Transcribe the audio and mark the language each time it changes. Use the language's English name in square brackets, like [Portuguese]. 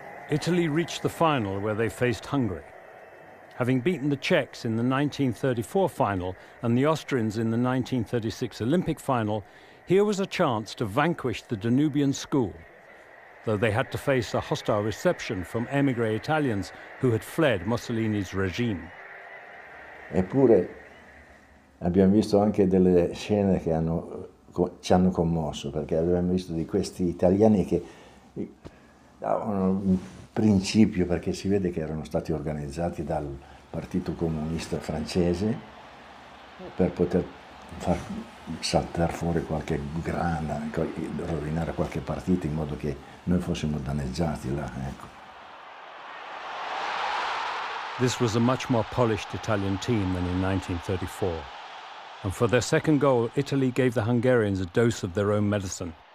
[English] Italy reached the final where they faced Hungary. Having beaten the Czechs in the 1934 final and the Austrians in the 1936 Olympic final, here was a chance to vanquish the Danubian school, though they had to face a hostile reception from emigre Italians who had fled Mussolini's regime. [Italian] Eppure abbiamo visto anche delle scene che ci hanno commosso, perché abbiamo visto di questi italiani che davano un principio, perché si vede che erano stati organizzati dal Partito Comunista Francese per poter far saltare fuori qualche grana, rovinare qualche partita in modo che noi fossimo danneggiati là, ecco. [English] This was a much more polished Italian team than in 1934. And for their second goal, Italy gave the Hungarians a dose of their own medicine.